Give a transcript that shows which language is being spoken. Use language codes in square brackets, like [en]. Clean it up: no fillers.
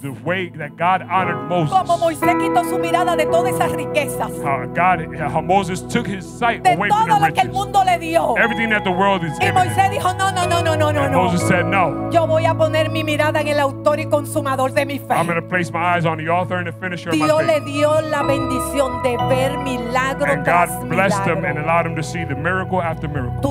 [en] The way that God honored Moses. [es] Como Moisés quitó su mirada de todas esas riquezas. [en] How Moses took his sight [es] de [en] away from the riches. [es] De todo lo que el mundo le dio. [en] Everything that the world is given. [es] Y Moisés dijo, no. [en] And Moses said, no. [es] Yo voy a poner mi mirada en el autor y consumador de mi fe. [en] I'm going to place my eyes on the author and the finisher of my faith. [es] Dios le dio la bendición de ver milagro tras milagro. [en] And God blessed him and allowed him to see the miracle after miracle.